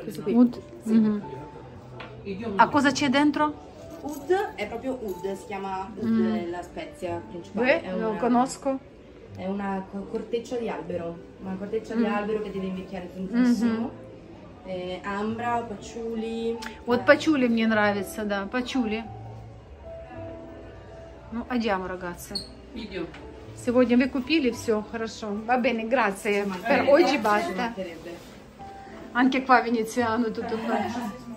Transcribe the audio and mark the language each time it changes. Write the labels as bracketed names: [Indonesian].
[Italian] Oud? A cosa c'è dentro? Oud è proprio oud, si chiama oud la spezia principale. Lo conosco. È una corteccia di albero, di albero che deve invecchiare tantissimo. Ambra, patchouli. [Russian] Вот patchouli мне нравится, да, patchouli. [Italian] Ну, andiamo, ragazzi. Idio. [Russian] Сегодня вы купили все, хорошо. [Italian] Va bene, grazie. Per oggi basta. Anche qua veneziano tutto qua.